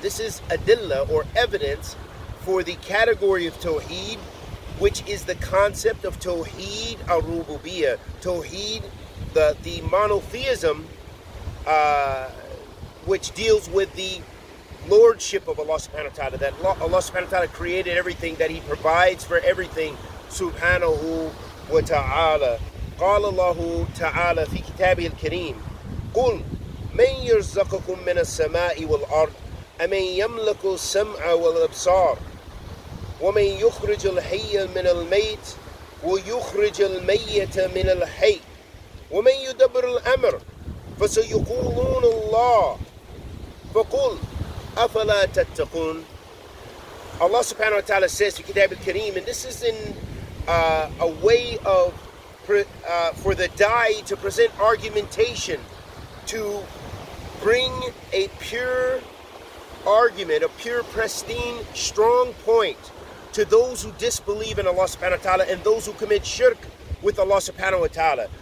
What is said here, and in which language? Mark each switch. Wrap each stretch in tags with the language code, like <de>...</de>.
<en>This is adilla or evidence for the category of Tawheed, which is the concept of Tawheed al-Rububiyyah. Tawheed, the monotheism, which deals with the lordship of Allah subhanahu wa ta'ala, that Allah subhanahu wa ta'ala created everything, that He provides for everything, subhanahu wa ta'ala.</en> <ar>Qala Allahu ta'ala fi kitabi al-kareem, Qul, من يرزقكم من السماء والأرض أمن يملك السمع والأبصار ومن يخرج الحي من الميت ويخرج الميت من الحي ومن يدبر الأمر فسيقولون الله فقل أفلا تتقون.</ar> <en>Allah subhanahu wa ta'ala says in Kitab al-Kareem, and this is in a way of for the da'i to present argumentation, to bring a pure argument, a pure, pristine, strong point to those who disbelieve in Allah subhanahu wa ta'ala and those who commit shirk with Allah subhanahu wa ta'ala.</en>